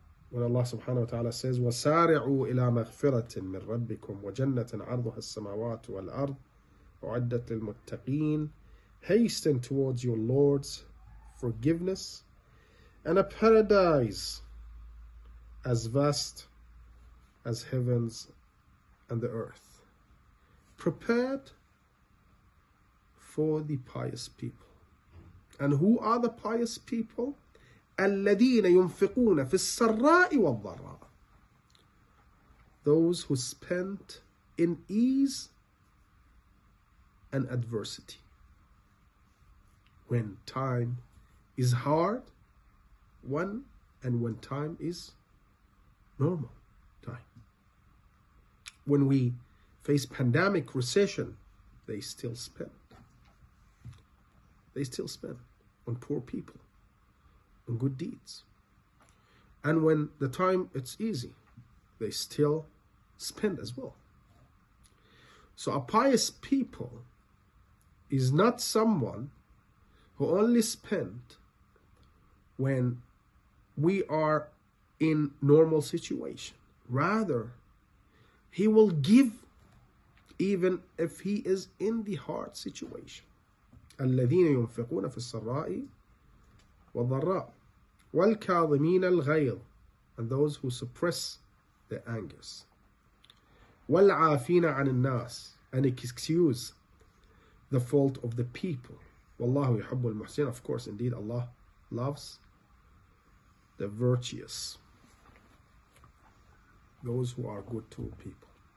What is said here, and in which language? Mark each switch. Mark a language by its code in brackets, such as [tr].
[en] When Allah subhanahu wa ta'ala says, [ar] وَسَارِعُوا إِلَى مَغْفِرَةٍ مِّن رَبِّكُمْ وَجَنَّةٍ عَرْضُهَا السَّمَاوَاتُ وَالْأَرْضُ وعدت للمتقين. [en] Hasten towards your Lord's forgiveness and a paradise as vast as heavens and the earth, prepared for the pious people. And who are the pious people? [ar] الذين ينفقون في السراء والضراء. [en] Those who spent in ease and adversity. When time is hard, one, and when time is normal time. When we face pandemic, recession, they still spend. They still spend on poor people, on good deeds. And when the time it's easy, they still spend as well. So a pious people is not someone who only spend when we are in normal situation. Rather, he will give even if he is in the hard situation. [ar] الَّذِينَ يُنفِقُونَ فِي السَّرَّاءِ وَالضَّرَّاءِ وَالْكَاظِمِينَ الْغَيْظِ. [en] And those who suppress their angers. [ar] والعافين عن الناس, [en] and excuse the fault of the people. [ar] Wallahu yuhibbu al-muhsin. [en] Of course, indeed, Allah loves the virtuous, those who are good to people.